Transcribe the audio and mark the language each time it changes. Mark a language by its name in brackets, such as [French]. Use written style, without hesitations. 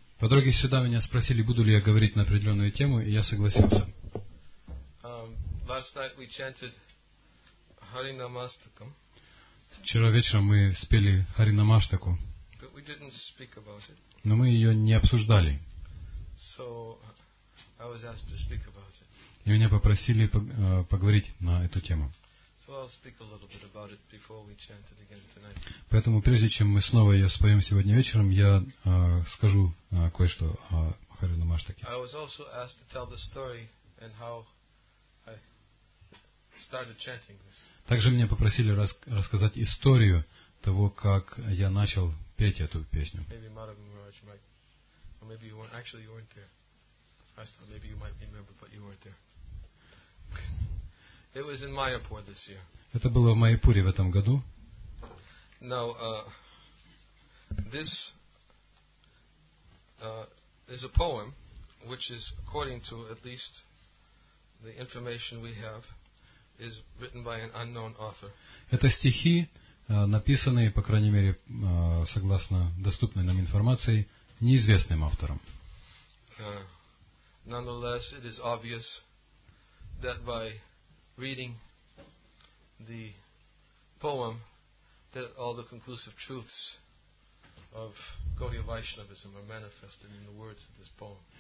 [Russian] По дороге сюда меня спросили, буду ли я говорить на определенную тему, и я согласился. [English] Last night we chanted Харинамаштакам. [Russian] Вчера вечером мы спели Харинамаштаку. [English] But we didn't speak about it. [Russian] Но мы ее не обсуждали. [English] So I was asked to speak about it. [Russian] И меня попросили поговорить на эту тему. [English] So I'll speak a little bit about it before we chant it again tonight. [Russian] Поэтому прежде чем мы снова ее споем сегодня вечером, я скажу кое-что о Харинамаштаке. [English] I was also asked to tell the story and how I started chanting this. [Russian] Также меня попросили рассказать историю того, как я начал петь эту песню. [English] Maybe Madhav Maharaj might, or maybe you weren't, actually you weren't there. I thought maybe you might remember, but you weren't there. It was in Mayapur this year. [Russian] Это было в Майяпуре в этом году. [English] Now, this is a poem, which is according to at least the information we have, is written by an unknown author. [Russian] Это стихи, написанные, по крайней мере, согласно доступной нам информации, неизвестным автором. [English] Nonetheless, it is obvious that by reading the poem, that all the conclusive truths of Gaudiya Vaishnavism are manifested in the words of this poem.